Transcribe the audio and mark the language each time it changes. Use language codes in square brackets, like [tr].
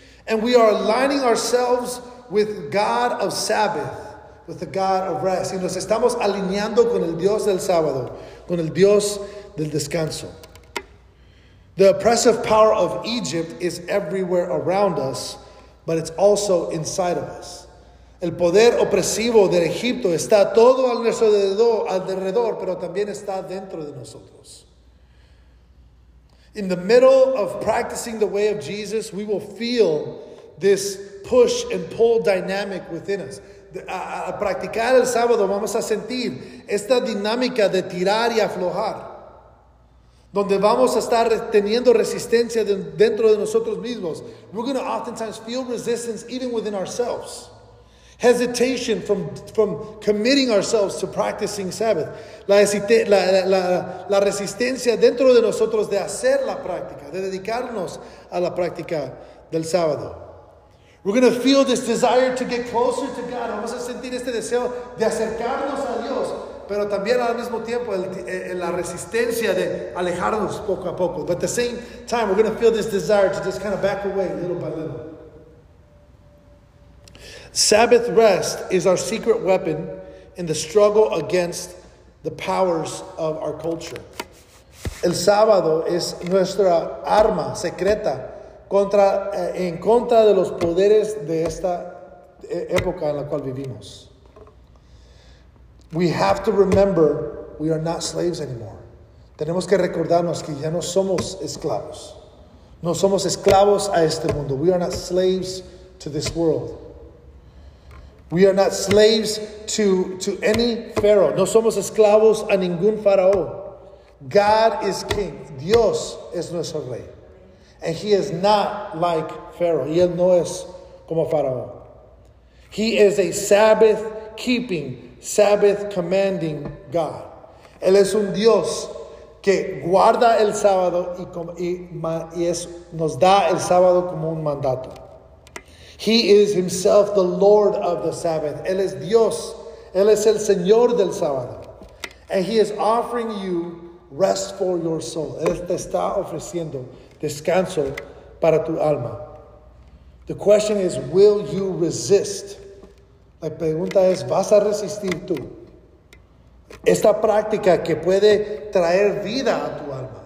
[en] And we are aligning ourselves with God of Sabbath, with the God of rest. [es] Y nos estamos alineando con el Dios del sábado, con el Dios del descanso. [en] The oppressive power of Egypt is everywhere around us, but it's also inside of us. [es] El poder opresivo de Egipto está todo a nuestro alrededor, pero también está dentro de nosotros. [en] In the middle of practicing the way of Jesus, we will feel this push and pull dynamic within us. [es] Al practicar el sábado, vamos a sentir esta dinámica de tirar y aflojar, donde vamos a estar teniendo resistencia dentro de nosotros mismos. [en] We're going to oftentimes feel resistance even within ourselves. Hesitation from committing ourselves to practicing Sabbath. [es] La resistencia dentro de nosotros de hacer la práctica, de dedicarnos a la práctica del sábado. [en] We're going to feel this desire to get closer to God. [es] Vamos a sentir este deseo de acercarnos a Dios, pero también al mismo tiempo la resistencia de alejarnos poco a poco. [en] But at the same time, we're going to feel this desire to just kind of back away little by little. Sabbath rest is our secret weapon in the struggle against the powers of our culture. [es] El sábado es nuestra arma secreta en contra de los poderes de esta época en la cual vivimos. [en] We have to remember we are not slaves anymore. [es] Tenemos que recordarnos que ya no somos esclavos. No somos esclavos a este mundo. [en] We are not slaves to this world. We are not slaves to any pharaoh. [es] No somos esclavos a ningún faraón. [en] God is king. [es] Dios es nuestro rey. [en] And he is not like pharaoh. [es] Y él no es como faraón. [en] He is a Sabbath keeping, Sabbath commanding God. [es] Él es un Dios que guarda el sábado y es, nos da el sábado como un mandato. [en] He is himself the Lord of the Sabbath. [es] Él es Dios. Él es el Señor del sábado. [en] And he is offering you rest for your soul. [es] Él te está ofreciendo descanso para tu alma. [en] The question is, will you resist? [es] La pregunta es, ¿vas a resistir tú esta práctica que puede traer vida a tu alma?